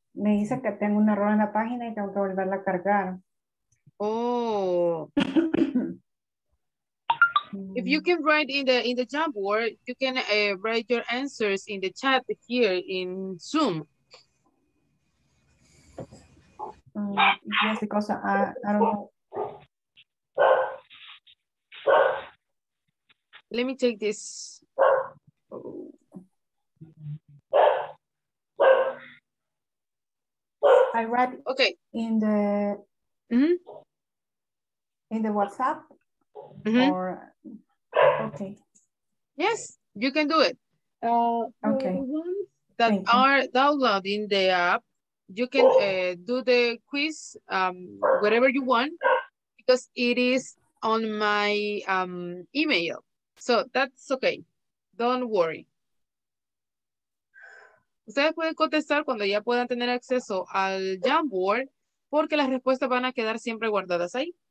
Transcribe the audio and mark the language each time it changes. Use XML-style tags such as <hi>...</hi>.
<es>Me dice que tengo un error en la página y tengo que volverla a cargar. Oh.</es> <en>If you can write in the Jamboard, you can write your answers in the chat here in Zoom. Yes, because I don't know. Let me take this. I read okay in the mm-hmm. in the WhatsApp mm-hmm. or okay. Yes, you can do it. Okay. That thank are you. Downloading the app. You can do the quiz whatever you want because it is on my email. So that's okay. Don't worry.</en> <es>Ustedes pueden contestar cuando ya puedan tener acceso al Jamboard porque las respuestas van a quedar siempre guardadas ahí.</es>